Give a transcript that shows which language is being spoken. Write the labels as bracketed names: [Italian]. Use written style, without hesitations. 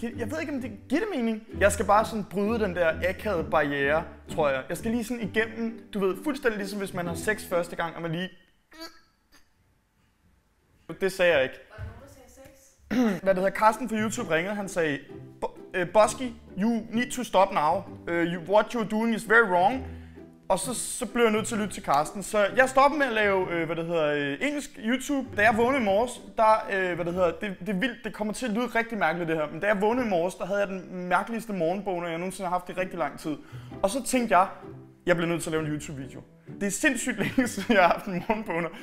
[Danish] Jeg ved ikke, om det giver det mening. Jeg skal bare sådan bryde den der akavede barriere, tror jeg. Jeg skal lige sådan igennem, du ved, fuldstændig ligesom hvis man har sex første gang, og man lige... Det sagde jeg ikke. Var der nogen, der sagde sex? Hvad det hedder, Carsten fra YouTube ringede, han sagde... [English] Bosky, you need to stop now. What you're doing is very wrong. [Danish] Og så blev jeg nødt til at lytte til Carsten. Så jeg stopper med at lave, engelsk YouTube. Da jeg vågnede i morges, der, det er vildt, det kommer til at lyde rigtig mærkeligt det her. Men da jeg vågnede i morges, der havde jeg den mærkeligste morgenbogen, jeg nogensinde har haft i rigtig lang tid. Og så tænkte jeg, jeg bliver nødt til at lave en YouTube-video. Det er sindssygt længe siden jeg har haft en morgenbogen.